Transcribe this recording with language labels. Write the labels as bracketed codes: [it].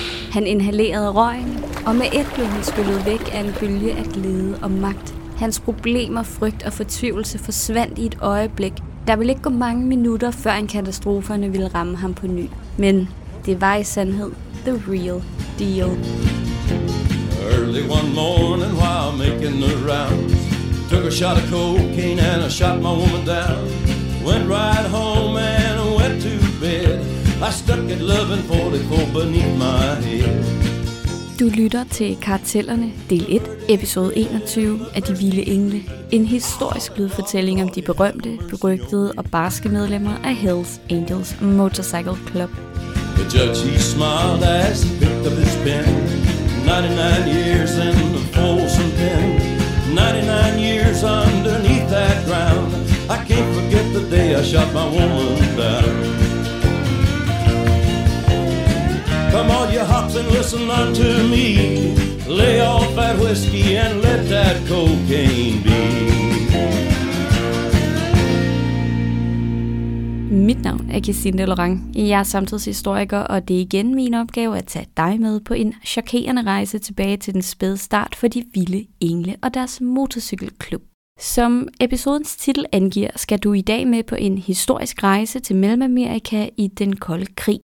[da] Han inhalerede røgen, og med et blev han skyllet væk af en bølge af glæde og magt. Hans problemer, frygt og fortvivlelse forsvandt i et øjeblik. Der ville ikke gå mange minutter, før en katastroferne ville ramme ham på ny. Men det var i sandhed [en] the real deal. Early one morning while making the rounds, took a shot of cocaine and I shot my woman down. Went right home and went to bed. I stuck at loving 44 beneath my head. [da] Du lytter til Kartellerne, del 1, episode 21 af De Vilde Engle. En historisk lydfortælling om de berømte, berygtede og barske medlemmer af Hells Angels Motorcycle Club. [en] The judge, he smiled as he picked up his pen. 99 years in the Folsom pen. 99 years underneath that ground. I can't forget the day I shot my woman down. Come on, you hops, and listen unto me. Lay off that whiskey and let that cocaine be. [da] Mit navn er Christine Laurent. Jeg er samtidshistoriker, og det er igen min opgave at tage dig med på en chokerende rejse tilbage til den spæde start for De Vilde Engle og deres motorcykelklub. Som episodens titel angiver, skal du i dag med på en historisk rejse til Mellemamerika i den kolde krig.